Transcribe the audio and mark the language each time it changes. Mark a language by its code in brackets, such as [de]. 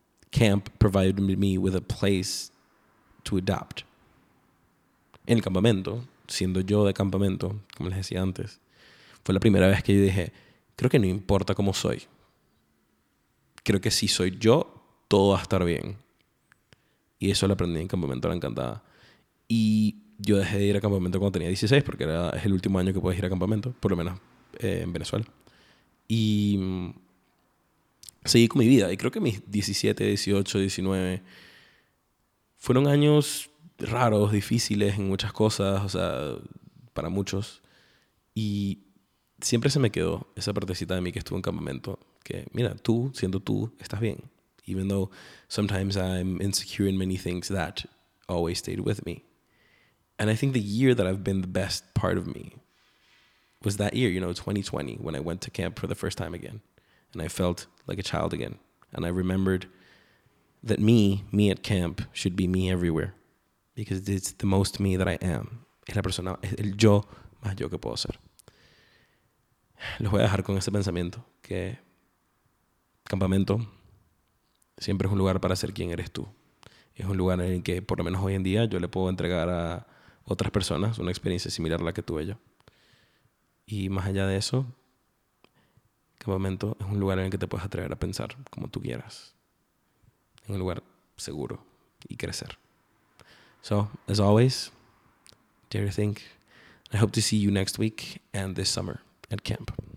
[en] Camp provided me with a place to adapt. [es] En el campamento, siendo yo de campamento, como les decía antes, fue la primera vez que yo dije, creo que no importa cómo soy. Creo que si soy yo, todo va a estar bien. Y eso lo aprendí en campamento, la encantada. Y yo dejé de ir a campamento cuando tenía 16, porque es el último año que puedes ir a campamento, por lo menos en Venezuela. Y seguí con mi vida. Y creo que mis 17, 18, 19 fueron años raros, difíciles en muchas cosas, o sea, para muchos. Y siempre se me quedó esa partecita de mí que estuvo en campamento, que mira, tú, siendo tú, estás bien. [en] Even though sometimes I'm insecure in many things, that always stayed with me. And I think the year that I've been the best part of me was that year, you know, 2020, when I went to camp for the first time again. And I felt like a child again. And I remembered that me at camp, should be me everywhere. Because it's the most me that I am. [es] Es la persona, es el yo más yo que puedo ser. Los voy a dejar con ese pensamiento, que campamento siempre es un lugar para ser quien eres tú. Es un lugar en el que, por lo menos hoy en día, yo le puedo entregar a otras personas una experiencia similar a la que tuve yo. Y más allá de eso, campamento es un lugar en el que te puedes atrever a pensar como tú quieras. Es un lugar seguro y crecer. [en] So, as always, dare to think. I hope to see you next week and this summer at camp.